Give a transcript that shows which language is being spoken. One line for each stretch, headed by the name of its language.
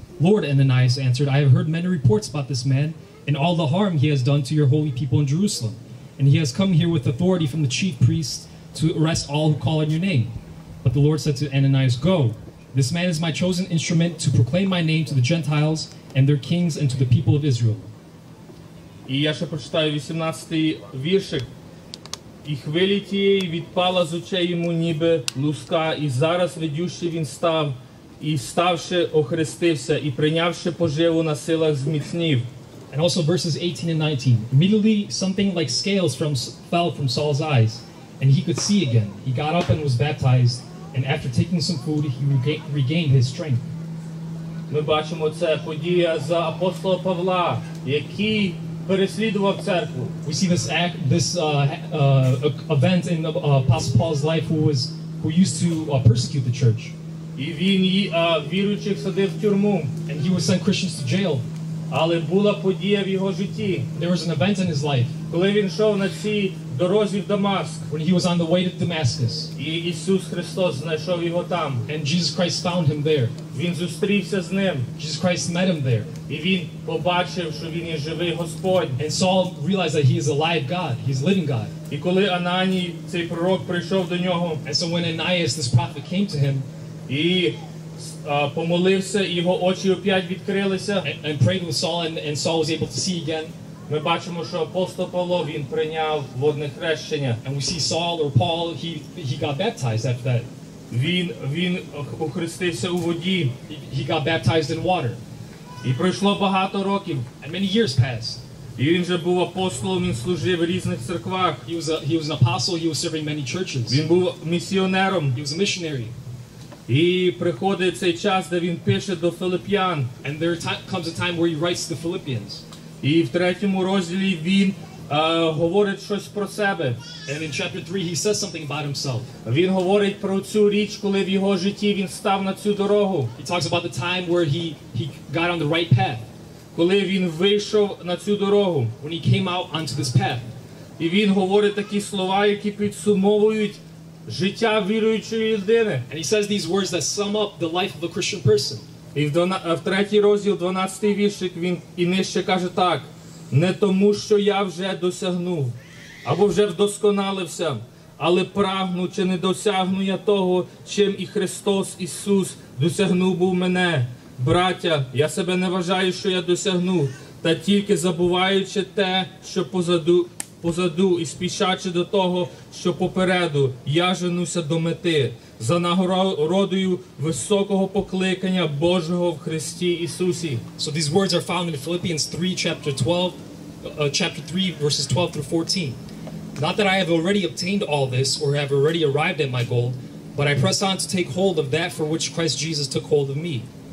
English: "Lord," Ananias answered, "I have heard many reports about this man and all the harm he has done to your holy people in Jerusalem. And he has come here with authority from the chief priests to arrest all who call on your name." But the Lord said to Ananias, "Go. This man is my chosen instrument to proclaim my name to the Gentiles and their kings and to the people of Israel."
Ukrainian: І я ще прочитаю 18-й віршик. І хвилі тієї відпала з очей йому ніби луска, і зараз ведючи він став, і ставши охрестився, і прийнявши поживу на силах зміцнів.
English: And also verses 18 and 19. Immediately something like scales fell from Saul's eyes, and he could see again. He got up and was baptized, and after taking some food, he regained his strength.
Ukrainian: Ми бачимо це подія за апостола Павла, який переслідував церкву.
English: We see this act, this event in Apostle Paul's life, who used to persecute the church.
Ukrainian: І він віруючих садив в тюрму.
English: And he would send Christians to jail.
Ukrainian: Але була подія в його житті.
English: There was an event in his life.
Ukrainian: Коли він йшов на цій дорозі в Дамаск.
English: When he was on the way to Damascus.
Ukrainian: І Ісус Христос знайшов його там.
English: And Jesus Christ found him there.
Ukrainian: Він зустрівся з ним.
English: Jesus Christ met him there.
Ukrainian: І він побачив, що він є живий Господь.
English: And Saul realized that he is alive God. He's living God.
Ukrainian: І коли Ананій, цей пророк, прийшов до нього.
English: And so when Ananias, this prophet, came to him.
Ukrainian: І помолився, і його очі оп'ять відкрилися.
English: And prayed with Saul, and Saul was able to see again.
Ukrainian: Ми бачимо, що апостол Павло, він прийняв водне хрещення.
English: And we see Saul, or Paul, he got baptized after that.
Ukrainian: Він охрестився у воді.
English: He got baptized in water.
Ukrainian: І пройшло багато років.
English: And many years passed.
Ukrainian: І він вже був апостолом, він служив в різних церквах.
English: He was an apostle, he was serving many churches.
Ukrainian: Він був місіонером.
English: He was a missionary.
Ukrainian: І приходить цей час, де він пише до Филип'ян.
English: And there comes a time where he writes to the Philippians.
Ukrainian: І в третьому розділі він говорить щось про себе.
English: And in chapter 3 he says something about himself.
Ukrainian: Він говорить про цю річ, коли в його житті він став на цю дорогу.
English: He talks about the time where he got on the right path.
Ukrainian: Коли він вийшов на цю дорогу.
English: When he came out onto this path.
Ukrainian: І він говорить такі слова, які підсумовують життя віруючої людини.
English: And he says these words that sum up the life of a Christian person.
Ukrainian: І в третій розділ, 12-й віршик, він і нижче каже так: «Не тому, що я вже досягнув, або вже вдосконалився, але прагну, чи не досягну я того, чим і Христос Ісус досягнув був мене. Браття, я себе не вважаю, що я досягнув, та тільки забуваючи те, що позаду, і спішаючи до того, що попереду, я женуся до мети». За нагородою високого покликання Божого в Христі Ісусі.
English: So these words are found in Philippians 3, chapter 3, verses 12 through 14. "Not that I have already obtained all this or have already arrived at my goal, but I press on to take hold of that for which Christ Jesus took hold of me.